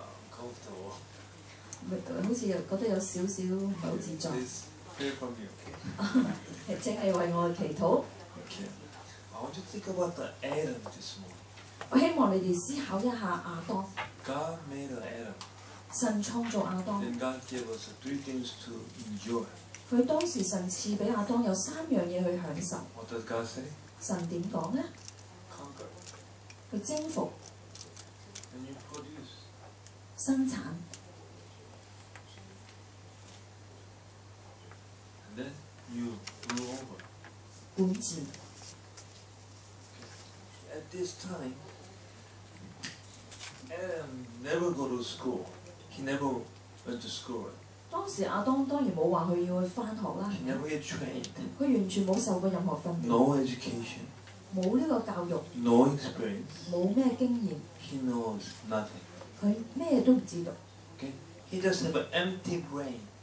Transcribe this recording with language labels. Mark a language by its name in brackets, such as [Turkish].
[Cantonese] 好似又覺得有少少唔係好自在。 [English] Please pray for me, okay? [Cantonese] 淨係為我祈禱。 [English] Okay. I want to think about the Adam this morning. [Cantonese] 我希望你哋思考一下亞當。 [English] God made Adam. [Cantonese] 神創造亞當。 [English] Then God gave us 3 things to enjoy. [Cantonese] 佢當時神賜俾亞當有三樣嘢去享受。 [English] What does God say? [Cantonese] 神點講咧 [English] ？Conquer. [Cantonese] 佢征服。 [English] And you produce. [Cantonese] 生產。 [English] Then you rule over. [Cantonese] 管治。 [English] At this time, Adam never go to school. He never went to school. [Cantonese] 當時亞當當然冇話佢要去翻學啦。 [English] He never get trained. [Cantonese] 佢完全冇受過任何訓練。 [English] No education. [Cantonese] 冇呢個教育。 [English] No experience. [Cantonese] 冇咩經驗。 [English] He knows nothing. [Cantonese] 佢咩都唔知道。 [English] Okay. He just have an empty brain.